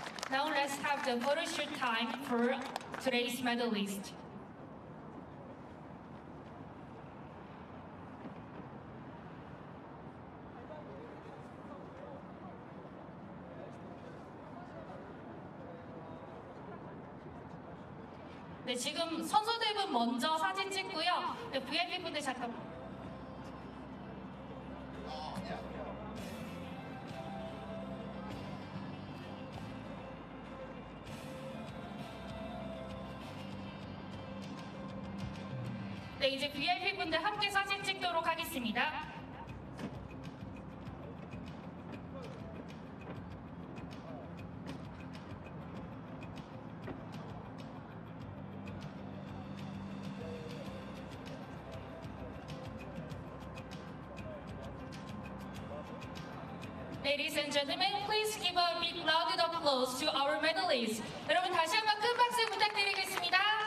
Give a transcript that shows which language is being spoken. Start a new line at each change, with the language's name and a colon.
English: Now let's have the photo shoot time for today's medalist.
Korean: The 네, 지금 선수들은 먼저 사진 찍고요. 네, VIP 분들 잠깐. 네, 이제 VIP분들 함께 사진 찍도록 하겠습니다.
English: 네, Ladies and gentlemen, please give a big round of applause to our medalists.
Korean: 여러분 다시 한번 큰 박수 부탁드리겠습니다.